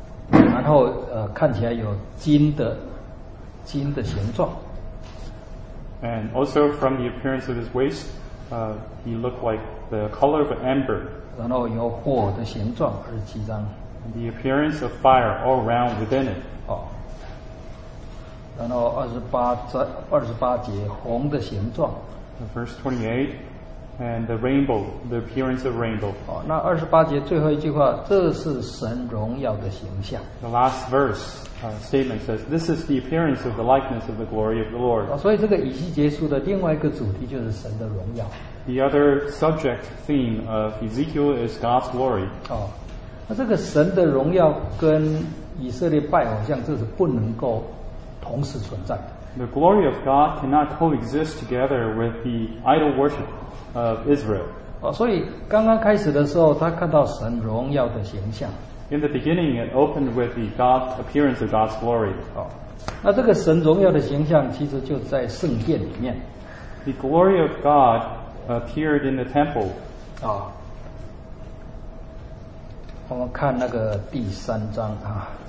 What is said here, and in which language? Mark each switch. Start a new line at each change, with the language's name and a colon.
Chinese: 然后看起来有金的形状。
English: And also from the appearance of his waist, he looked like the color of amber.
Chinese: 然后有火的形状，二十七章。
English: And the appearance of fire all around within it. 哦。
Chinese: 然后二十八节，红的形状。
English: Verse 28, and the rainbow, the appearance of rainbow.
Chinese: 哦，那二十八节最后一句话，这是神荣耀的形象。
English: The last verse, statement says, "This is the appearance of the likeness of the glory of the Lord."
Chinese: 哦，所以这个以西结束的另外一个主题就是神的荣耀。
English: The other subject theme of Ezekiel is God's glory.
Chinese: 哦，那这个神的荣耀跟以色列拜偶像，这是不能够同时存在的。
English: The glory of God cannot coexist together with the idol worship of Israel.
Chinese: 哦，所以刚刚开始的时候，他看到神荣耀的形象。
English: In the beginning, it opened with the God appearance of God's glory.
Chinese: 哦，那这个神荣耀的形象其实就在圣殿里面。
English: The glory of God appeared in the temple.
Chinese: 啊，我们看那个第三章啊。